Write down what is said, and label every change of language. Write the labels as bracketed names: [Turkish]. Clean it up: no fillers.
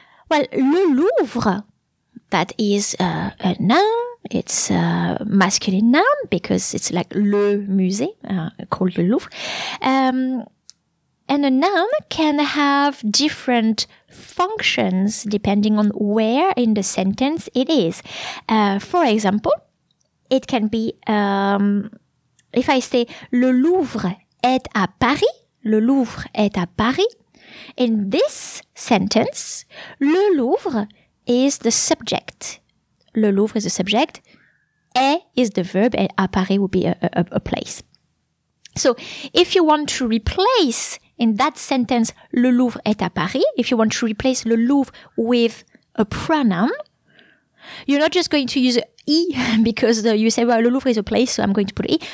[English] Well, le Louvre, that is a noun. It's a masculine noun because it's like [French] le musée, [English] called le Louvre. And a noun can have different functions depending on where in the sentence it is. For example, it can be, if I say [French] le Louvre est à Paris, [English] le Louvre est à Paris. In this sentence, le Louvre is the subject. Le Louvre is the subject. Est is the verb, and à Paris would be a place. So if you want to replace in that sentence, [French] le Louvre est à Paris, [English] if you want to replace le Louvre with a pronoun, you're not just going to use e because you say, well, le Louvre is a place, so I'm going to put e.